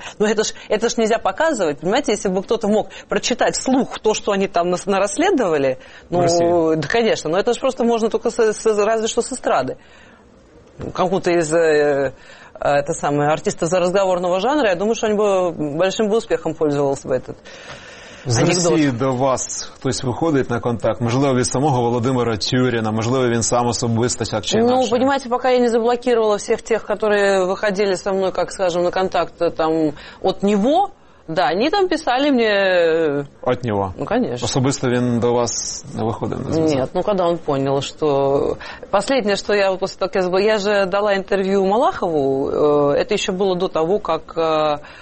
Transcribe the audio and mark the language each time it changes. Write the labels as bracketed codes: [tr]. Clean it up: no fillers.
[ru] Ну, это ж нельзя показывать, понимаете, если бы кто-то мог прочитать вслух то, что они там нарасследовали, ну, да, конечно, но это же просто можно только разве что с эстрады. Кому-то из это самое, артиста за разговорного жанра, я думаю, что они бы большим бы успехом пользовался бы этот з анекдот. [uk] З Росії до вас хтось виходить на контакт? Можливо, від самого Володимира Тюріна? Можливо, він сам особисто, так чи інакше? [ru] Ну, понимаете, пока я не заблокировала всех тех, которые выходили со мной, как скажем, на контакт там, от него... Да, они там писали мне... От него? Ну, конечно. Особисто он до вас не выходит? Нет, ну, когда он понял, что... Последнее, что я после того, как я же дала интервью Малахову, это еще было до того, как...